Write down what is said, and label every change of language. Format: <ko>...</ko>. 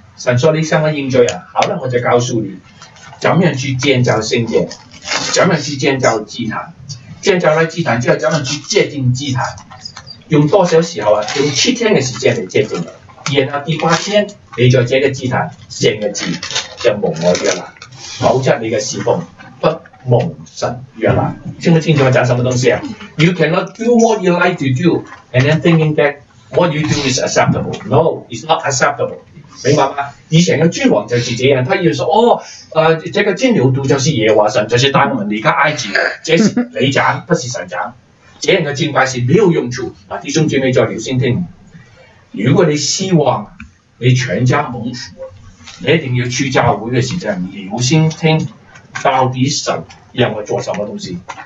<zh>神说你向我认罪啊，好了，我就告诉你怎么样去建造圣殿，怎么样去建造祭坛。建造了祭坛之后，咱们去接近祭坛，用多少时候啊？用七天的时间来接近的。然后第八天，你在这个祭坛献个祭，就蒙我悦纳，否则你的侍奉不蒙神悦纳。听不清楚我讲什么东西啊</zh> <en>？You cannot do what you like to do, and then thinking that what you do is acceptable. No, it's not acceptable.</en> <zh>明白吗？以前的君王就是这样，他要说这个金牛犊就是耶和华神，就是带我们离开埃及，这是你讲，不是神讲，这样的敬拜是没有用处。弟兄姐妹再留心听，如果你希望你全家蒙福，你一定要去教会的时候留心听，到底神要我做什么东西。</zh>